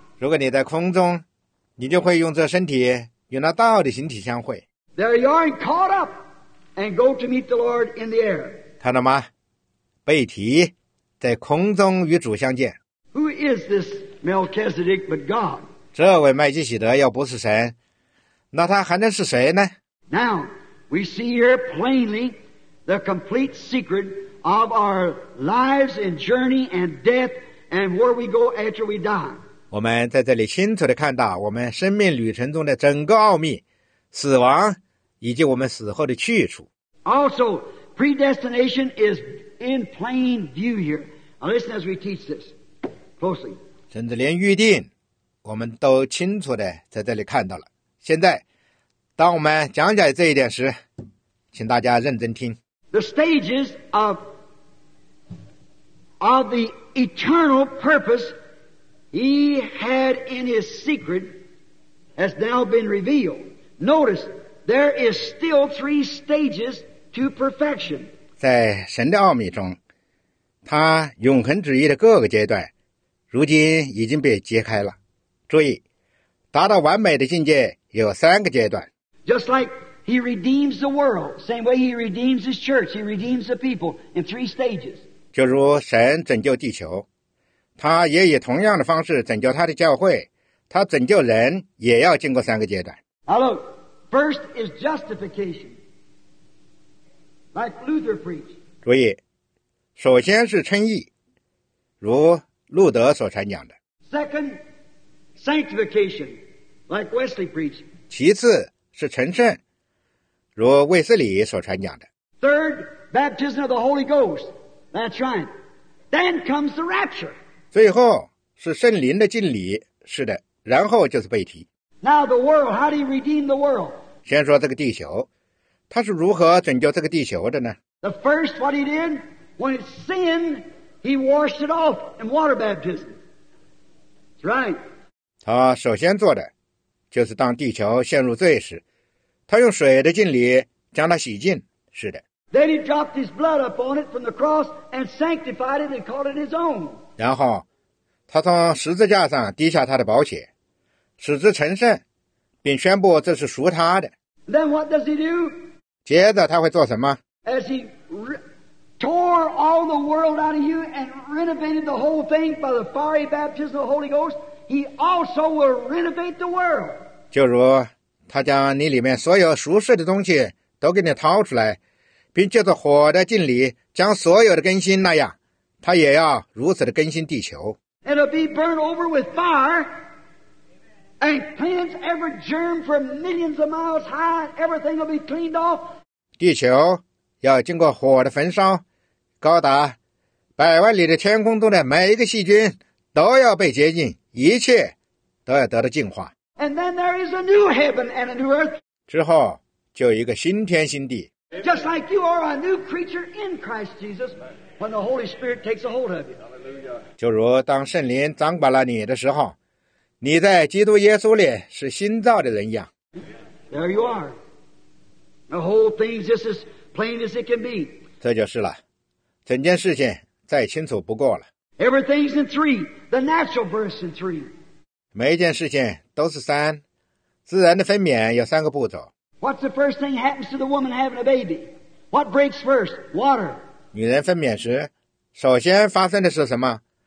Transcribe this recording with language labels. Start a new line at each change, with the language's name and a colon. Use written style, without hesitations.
Chinese: 如果你在空中，你就会用这身体与那道的形体相会。
English: There you are, caught up, and go to meet the Lord in the air.
Chinese: 看到吗？被提，在空中与主相见。
English: Who is this Melchizedek but God?
Chinese: 这位麦基洗德要不是神，那他还能是谁呢？
English: Now, we see here plainly,the complete secret of our lives and journey and death and where we go after we die.
Chinese: 我们在这里清楚地看到我们生命旅程中的整个奥秘，死亡以及我们死后的去处。
English: Also, predestination is in plain view here. Now listen as we teach this closely.
Chinese: 甚至连预定我们都清楚地在这里看到了。现在当我们讲解这一点时，请大家认真听。
English: The stages of the eternal purpose he had in his secret has now been revealed. Notice, there is still three stages to perfection.
Chinese: 在神的奥秘中，他永恒旨意的各个阶段，如今已经被揭开了。注意，达到完美的境界有三个阶段。
English: Just like He redeems the world, same way he redeems his church, he redeems the people in three stages.
Chinese: 就如神拯救地球，他也以同样的方式拯救他的教会，他拯救人也要经过三个阶段。
English: Now look, first is justification, like Luther preached.
Chinese: 注意，首先是称义，如路德所传讲的。
English: Second, sanctification, like Wesley preached.
Chinese: 其次是成圣，如卫斯理所传讲的。
English: Third, baptism of the Holy Ghost. That's right. Then comes the rapture.
Chinese: 最后是圣灵的浸礼，是的，然后就是被提。
English: Now the world, how do you redeem the world?
Chinese: 先说这个地球，他是如何拯救这个地球的呢？
English: The first, what he did, when it sinned, he washed it off in water baptism. That's right.
Chinese: 他首先做的，就是当地球陷入罪时，他用水的浸礼将它洗净，是的。
English: Then he dropped his blood upon it from the cross and sanctified it and called it his own.
Chinese: 然后，他从十字架上滴下他的宝血，使之成圣，并宣布这是属他的。
English: Then what does he do?
Chinese: 接着他会做什么？
English: As he tore all the world out of you and renovated the whole thing by the fiery baptism of the Holy Ghost, he also will renovate the world.
Chinese: 就如他将你里面所有属世的东西都给你掏出来，并借着火的浸礼将所有的更新那样，他也要如此的更新地球。
English: It'll be burned over with fire and cleanse every germ from millions of miles high. Everything will be cleaned off.
Chinese: 地球要经过火的焚烧，高达百万里的天空中的每一个细菌都要被洁净，一切都要得到净化。
English: And then there is a new heaven and a new earth.
Chinese: 之后就一个新天新地。
English: Just like you are a new creature in Christ Jesus when the Holy Spirit takes a hold of you.
Chinese: 就如当圣灵掌管了你的时候，你在基督耶稣里是新造的人一样。
English: There you are. The whole thing is just as plain as it can be.
Chinese: 这就是了，整件事情再清楚不过了。
English: Everything's in three. The natural birth in three.
Chinese: 每一件事情都是三，自然的分娩有三个步骤。
English: What's the first thing happens to the woman having a baby? What breaks first? Water.
Chinese: 女人分娩时，首先发生的是什么？